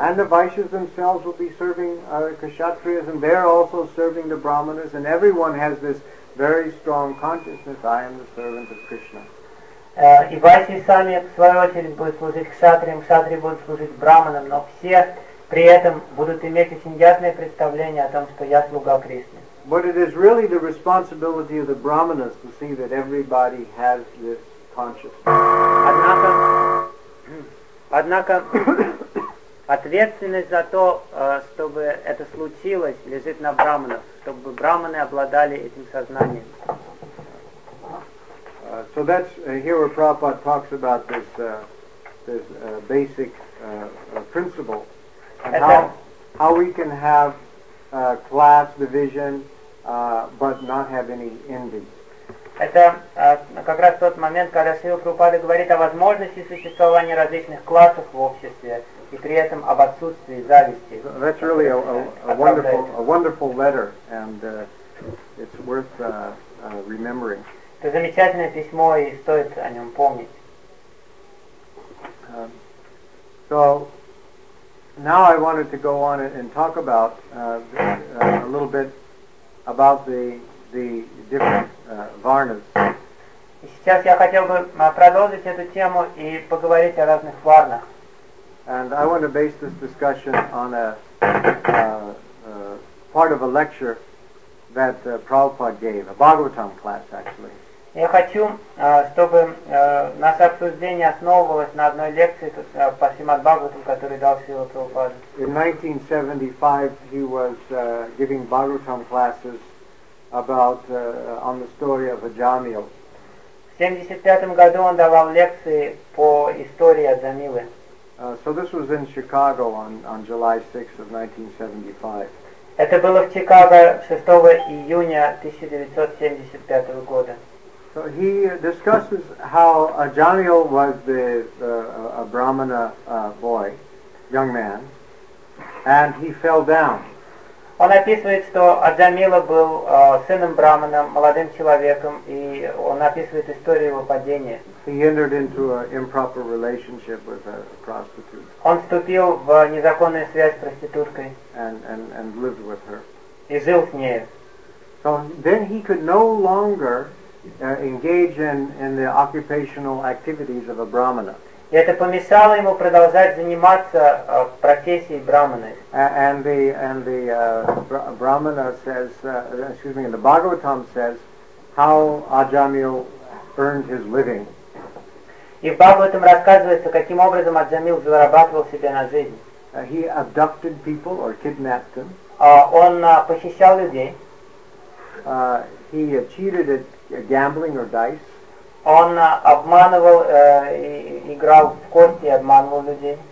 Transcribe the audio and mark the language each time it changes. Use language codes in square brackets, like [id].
[en] And the vaishyas themselves will be serving kshatriyas, and they're also serving the brahmanas, and everyone has this very strong consciousness, I am the servant of Krishna. [ru] И вайсьи сами, в свою очередь, будут служить кшатриям, кшатрии будут служить брахманам, но все при этом будут иметь очень ясное представление о том, что я слуга Кришны. [en] But it is really the responsibility of the brahmanas to see that everybody has this consciousness. [ru] Однако ответственность за то, чтобы это случилось, лежит на брахманах, чтобы брахманы обладали этим сознанием. [en] So that's here where Prabhupada talks about this this basic principle, and how we can have class division, but not have any envy. [ru] Это как раз тот момент, когда Шрила Прабхупада говорит о возможности существования различных классов в обществе и при этом об отсутствии зависти. [en] So that's really a wonderful letter, and it's worth remembering. [ru] Это замечательное письмо, и стоит о нем помнить. [en] So now I wanted to go on and talk about a little bit about the different varnas. [ru] И сейчас я хотел бы продолжить эту тему и поговорить о разных варнах. [en] And I want to base this discussion on a part of a lecture that Prabhupada gave, a Bhagavatam class actually. [ru] Я хочу, чтобы наше обсуждение основывалось на одной лекции по Шримад-Бхагаватам, которую дал Шрила Прабхупада. [en] In 1975 he was giving Bhagavatam classes about on the story of Ajamil. [ru] В 75 году он давал лекции по истории Ajamil. [en] So this was in Chicago on July 6th of 1975. [ru] Это было в Чикаго 6 июня 1975 года. [en] So he discusses how Ajamil was the a Brahmana boy, young man, and he fell down. [ru] Он описывает, что Аджамила был сыном Брахмана, молодым человеком, и он описывает историю его падения. [en] He entered into an improper relationship with a prostitute. [ru] Он вступил в незаконную связь с проституткой. [en] And lived with her. [ru] И жил с ней. [en] So then he could no longer engage in the occupational activities of a Brahmana. [ru] И это помешало ему продолжать заниматься профессией брахманы. [en] Brahmana says, excuse me, the Bhagavatam says how Ajamil earned his living. [ru] И в Бхагаватам рассказывается, каким образом Аджамил зарабатывал себе на жизнь. [en] He abducted people or kidnapped them. [ru] Он похищал людей. [en] He cheated at gambling or dice. [ru] Он обманывал, играл в кости, обманывал людей.